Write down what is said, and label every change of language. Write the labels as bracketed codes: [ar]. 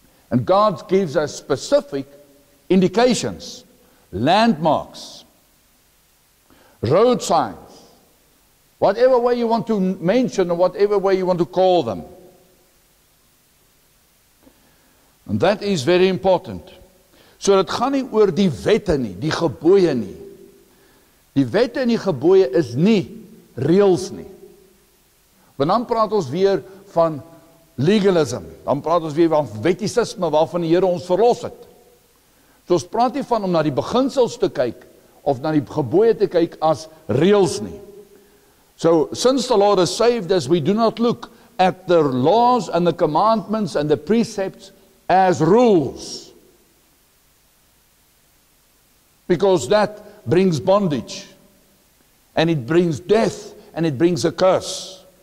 [en] And God gives us specific indications, landmarks, road signs, whatever way you want to mention or whatever way you want to call them. And that is very important. [af] So dit gaan nie oor die wette nie, die gebooie nie. Die wette en die gebooie is nie reëls nie. Want dan praat ons weer van legalism. Dan praat ons weer van wettisisme waarvan die Here ons verlos het. So ons praat nie van om na die beginsels te kyk of na die gebooie te kyk as reëls nie. [en] So since the Lord has saved us, we do not look at the laws and the commandments and the precepts as rules, because that brings bondage and it brings death and it brings a curse.